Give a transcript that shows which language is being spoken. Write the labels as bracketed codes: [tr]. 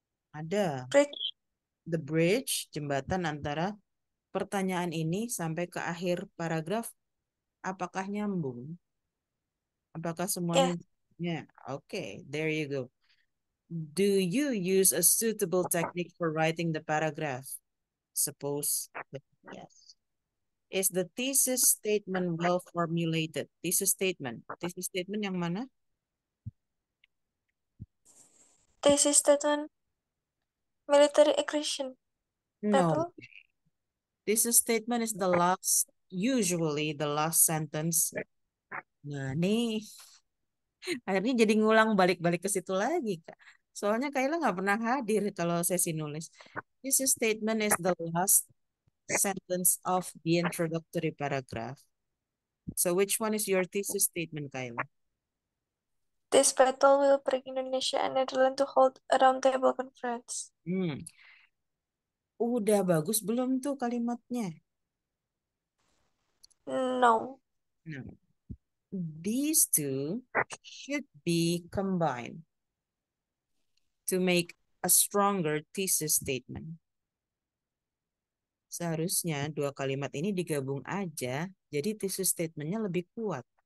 [id] Ada. [en] Bridge. [id] the bridge, jembatan antara pertanyaan ini sampai ke akhir paragraf, apakah nyambung? Apakah semuanya? [en] Yeah. Okay, there you go. Do you use a suitable technique for writing the paragraph? Suppose yes. Is the thesis statement well formulated? [id] Thesis statement yang mana? [en] Thesis statement, military aggression, No. battle. This statement is the last, usually the last sentence. Nah, nih. [id] Akhirnya jadi ngulang balik-balik ke situ lagi, Kak. Soalnya Kayla nggak pernah hadir kalau sesi nulis. [en] This statement is the last sentence of the introductory paragraph. So which one is your thesis statement, Kayla? This battle will bring Indonesia and Netherlands to hold a roundtable conference. [id] Udah bagus belum tuh kalimatnya? [en] No. No. These two should be combined to make a stronger thesis statement. [id] Seharusnya dua kalimat ini digabung aja, jadi thesis statementnya lebih kuat.